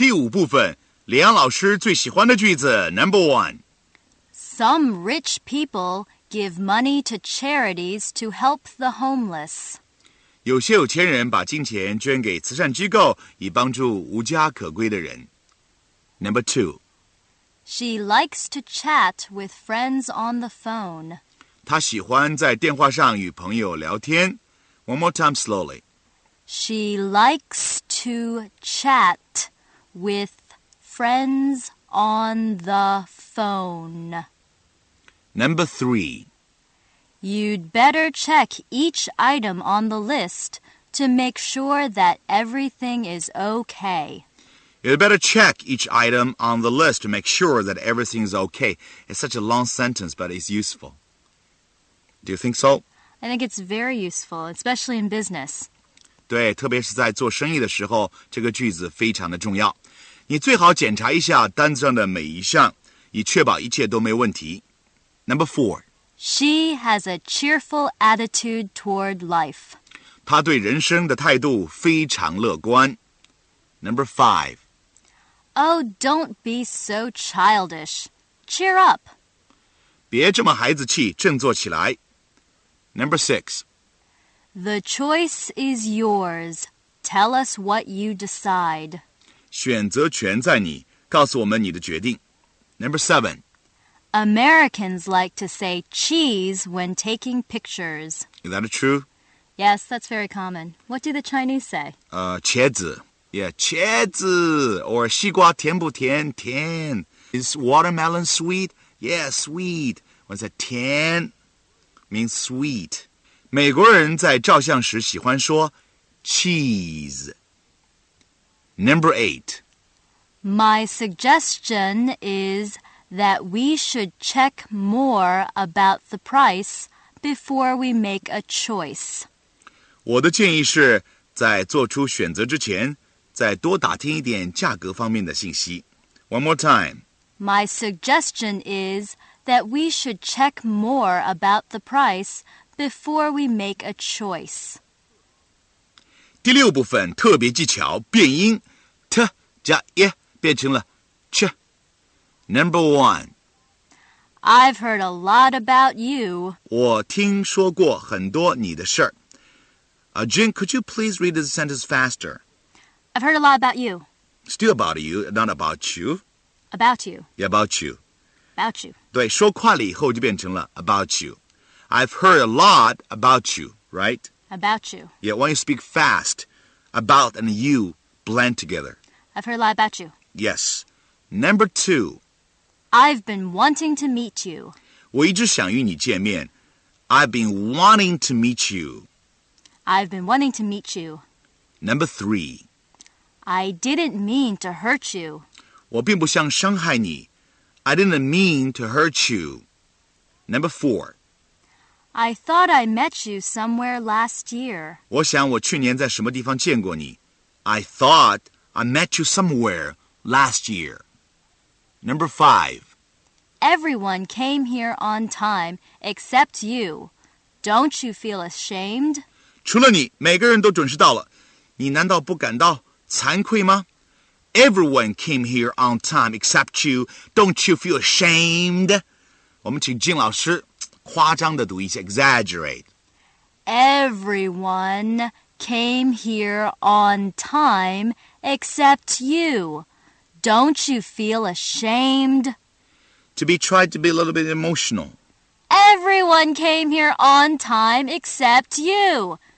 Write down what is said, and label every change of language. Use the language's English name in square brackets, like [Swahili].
[Chinese] 部分李阳老师最喜欢的句子 [English] Number 1 Some rich people give money to charities to help the homeless. [Chinese] 有些有钱人把金钱捐给慈善机构以帮助无家可归的人 [English] Number 2 She likes to chat with friends on the phone. [Chinese] 她喜欢在电话上与朋友聊天 [English] One more time slowly. She likes to chatWith friends on the phone. Number 3. You'd better check each item on the list to make sure that everything is okay. You'd better check each item on the list to make sure that everything's okay. It's such a long sentence, but it's useful. Do you think so? I think it's very useful, especially in business. [Chinese] 对，特别是在做生意的时候，这个句子非常的重要。你最好检查一下单子上的每一项，以确保一切都没问题。 [English] Number 4. She has a cheerful attitude toward life. [Chinese] 她对人生的态度非常乐观。 [English] Number 5. Oh, don't be so childish. Cheer up. [Chinese] 别这么孩子气，振作起来。 [English] Number 6. The choice is yours. Tell us what you decide. [Chinese] 选择权在你，告诉我们你的决定。 [English] Number 7. Americans like to say cheese when taking pictures. Is that true? Yes, that's very common. What do the Chinese say? [Chinese] 茄子. [English] Yeah, [Chinese] 茄子.Or 西瓜甜不甜?甜. [English] Is watermelon sweet? Yeah, sweet. What's that? 甜 means sweet. [Chinese] 美国人在照相时喜欢说 cheese. [English] Number 8. My suggestion is that we should check more about the price before we make a choice. [Chinese] 我的建议是在做出选择之前再多打听一点价格方面的信息. [English] One more time. My suggestion is that we should check more about the price before we make a choice. [Chinese] 第六部分特别技巧变音 T 加耶 变成了 Ch. [English] Number 1. I've heard a lot about you. [Chinese] 我听说过很多你的事儿. [English] Jin, could you please read this sentence faster? I've heard a lot about you. Still about you, not about you. About you. Yeah, about you. About you. [Chinese] 对,说快了以后就变成了 [English] about you. I've heard a lot about you, right? About you. Yeah, why don't you speak fast? About and you blend together. I've heard a lot about you. Yes. Number 2. I've been wanting to meet you. [Chinese] 我一直想与你见面. [English] I've been wanting to meet you. I've been wanting to meet you. Number 3. I didn't mean to hurt you. [Chinese] 我并不想伤害你. [English] I didn't mean to hurt you. Number 4. I thought I met you somewhere last year. [Chinese] 我想我去年在什么地方见过你. [English] I thought I met you somewhere last year. Number 5. Everyone came here on time except you. Don't you feel ashamed? [Chinese] 除了你,每个人都准时到了,你难道不感到惭愧吗? [English] Everyone came here on time except you. Don't you feel ashamed? [Chinese] 我们请金老师夸张地读一下, exaggerate. [English] Everyone came here on time except you. Don't you feel ashamed? To be tried to be a little bit emotional. Everyone came here on time except you.